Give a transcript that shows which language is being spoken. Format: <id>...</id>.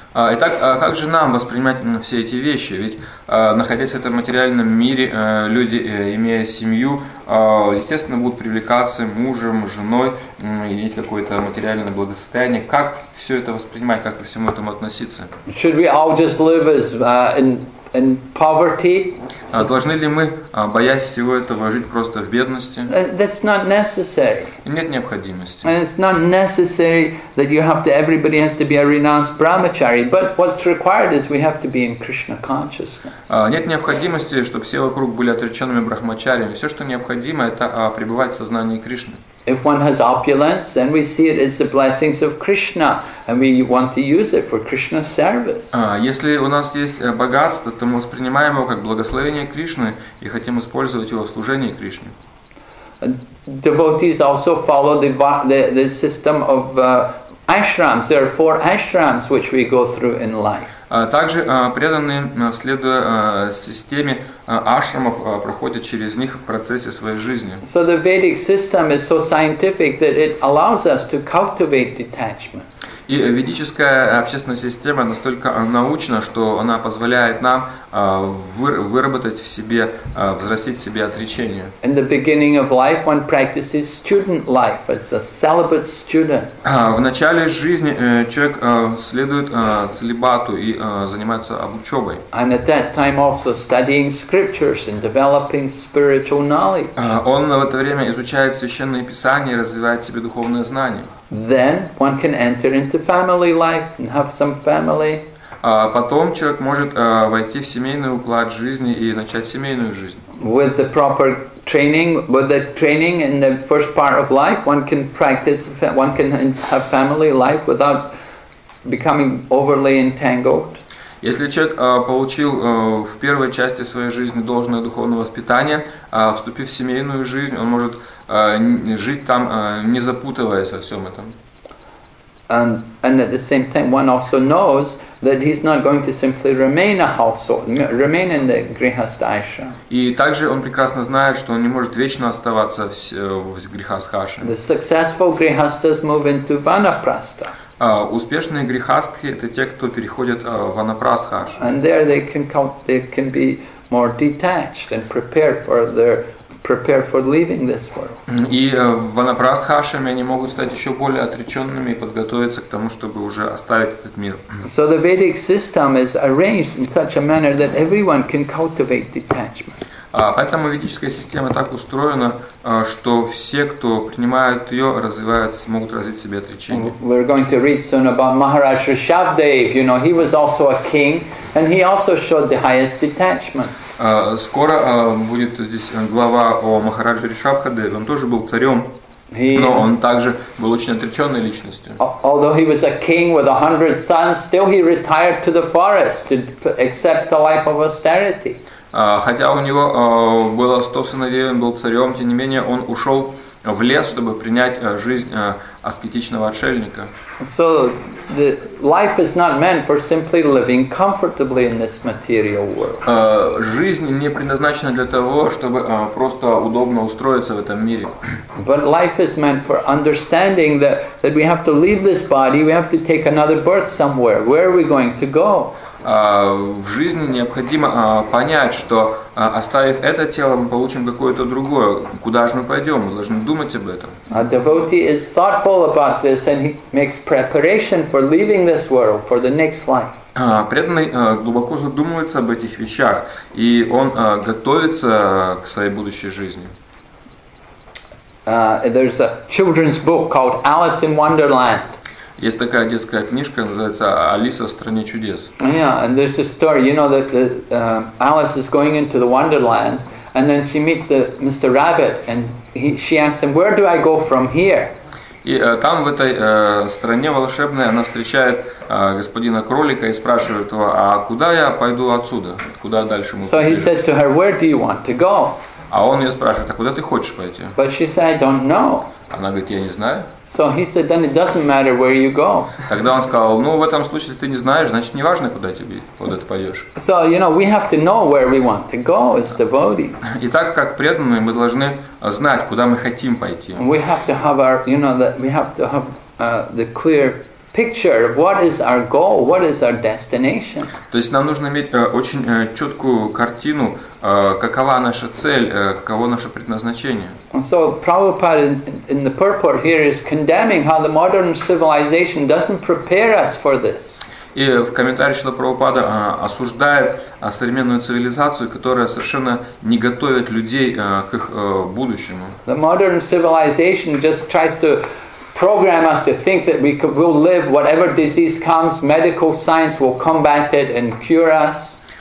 <ru>Итак, как же нам воспринимать все эти вещи? Ведь находясь в этом материальном мире, люди, имея семью, естественно, будут привлекаться мужем, женой, иметь какое-то материальное благосостояние. Как все это воспринимать, как ко всему этому относиться?</ru> <en>Should we all just live as in poverty?</en> <ru>Должны ли мы, боясь всего этого, жить просто в бедности?</ru> <en>That's not necessary.</en> <ru>Нет необходимости.</ru> <en>And it's not necessary that you have to, everybody has to be a renounced brahmachari. But what's required is we have to be in Krishna consciousness.</en> <ru>Нет необходимости, чтобы все вокруг были отреченными брахмачариями. Все, что необходимо, это пребывать в сознании Кришны.</ru> <en>If one has opulence, then we see it as the blessings of Krishna, and we want to use it for Krishna's service.</en> <ru>Если у нас есть богатство, то мы воспринимаем его как благословение Кришны и хотим использовать его в служении Кришне.</ru> <en>Devotees also follow the system of ashrams. There are four ashrams which we go through in life.</en> <ru>Также преданные, следуя системе ашрамов, проходят через них в процессе своей жизни.</ru> <en>So the Vedic system is so scientific that it allows us to cultivate detachment.</en> <ru>И ведическая общественная система настолько научна, что она позволяет нам выработать в себе, взрастить в себе отречение.</ru> <en>In the beginning of life, one practices student life as a celibate student.</en> <ru>В начале жизни человек следует целибату и занимается учебой.</ru> <en>And at that time also studying scriptures and developing spiritual knowledge.</en> <ru>Он в это время изучает священные писания и развивает в себе духовные знания.</ru> <en>Then one can enter into family life and have some family.</en> <ru>Потом человек может войти в семейный уклад жизни и начать семейную жизнь.</ru> <en>With the proper training, with the training in the first part of life, one can practice, one can have family life without becoming overly entangled.</en> <ru>Если человек получил в первой части своей жизни должное духовное воспитание, вступив в семейную жизнь, он может жить там, не запутываясь во всем этом.</ru> <en>And at the same time, one also knows that he's not going to simply remain a household, remain in the grihastha ashram.</en> <ru>И также он прекрасно знает, что он не может вечно оставаться в грихастха ашраме.</ru> <en>The successful grihasthas move into vanaprastha.</en> <ru>Успешные грихастхи – это те, кто переходят в ванапрастха ашрам.</ru> <en>And there they can be more detached and prepared for leaving this world.</en> <ru>И в ванапрастхашами они могут стать еще более отреченными и подготовиться к тому, чтобы уже оставить этот мир.</ru> <en>So the Vedic system is arranged in such a manner that everyone can cultivate detachment.</en> <ru>Поэтому ведическая система так устроена, что все, кто принимает ее, развиваются, могут развить себе отречение.</ru> <en>We're going to read soon about Maharaj Rishabhdev. You know, he was also a king, and he also showed the highest detachment.</en> <ru>Скоро будет здесь глава о Махарадже Ришабхаде. Он тоже был царем, но он также был очень отреченной личностью.</ru> <en>Although he was a king with 100 sons, still he retired to the forest to accept a life of austerity.</en> <ru>Хотя у него было 100 сыновей, он был царем, тем не менее он ушел в лес, чтобы принять жизнь аскетичного отшельника.</ru> <en>So the life is not meant for simply living comfortably in this material world.</en> <ru>Жизнь не предназначена для того, чтобы просто удобно устроиться в этом мире.</ru> <en>But life is meant for understanding that we have to leave this body, we have to take another birth somewhere. Where are we going to go?</en> <ru>В жизни необходимо понять, что оставив это тело, мы получим какое-то другое. Куда же мы пойдем? Мы должны думать об этом.</ru> <en>A devotee is thoughtful about this, and he makes preparation for leaving this world for the next life.</en> <ru>Преданный глубоко задумывается об этих вещах, и он готовится к своей будущей жизни.</ru> <en>There's a children's book called Alice in Wonderland.</en> <ru>Есть такая детская книжка, называется «Алиса в стране чудес».</ru> <en>Yeah, and there's a story, you know, that Alice is going into the Wonderland, and then she meets Mr. Rabbit, and she asks him, where do I go from here?</en> <ru>И там, в этой стране волшебной, она встречает господина кролика и спрашивает его, а куда я пойду отсюда, куда дальше мы пойдем?</ru> <en>So he said to her, where do you want to go?</en> <ru>А он ее спрашивает, а куда ты хочешь пойти?</ru> <en>But she said, I don't know.</en> <ru>Она говорит, я не знаю.</ru> <en>So he said, then it doesn't matter where you go.</en> <ru>Тогда он сказал, ну в этом случае ты не знаешь, значит не важно, куда тебе куда ты пойдешь.</ru> <en>So you know we have to know where we want to go as devotees.</en> <ru>И так как преданные, мы должны знать, куда мы хотим пойти.</ru> <en>We have to have our, you know, that we have to have the clear picture of what is our goal, what is our destination.</en> <ru>То есть нам нужно иметь очень четкую картину, какова наша цель, каково наше предназначение.</ru> <en>And so Prabhupada in the purport here is condemning how the modern civilization doesn't prepare us for this.</en> <ru>И в комментарии Шрила Прабхупада осуждает современную цивилизацию, которая совершенно не готовит людей к их будущему.</ru> <en>The modern civilization just tries to program us to think that we could, will live whatever disease comes, medical science will combat it and cure us.</en>